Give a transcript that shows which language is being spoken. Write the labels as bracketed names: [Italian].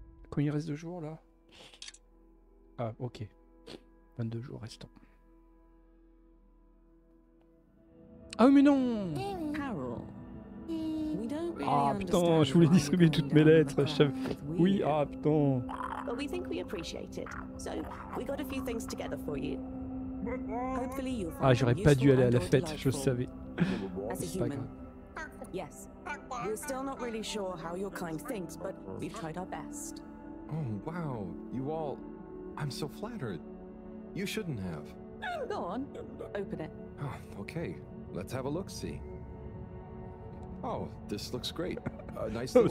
[French] Combien il reste de jours, là? Ah, ok. 22 jours restants. Ah, mais non! Ah, putain, je voulais distribuer toutes mes lettres. Oui, ah, putain. [English] But we think we appreciate it. So, we got a few things together for you. [French] Ah, j'aurais pas dû aller à la fête, je le savais. [English] Yes. We're still not really sure how your kind thinks, but we've tried our best. Oh, wow. You all, I'm so flattered. You shouldn't have. Go on. Open it. Oh, okay. Let's have a look see. Oh, this looks great. A nice little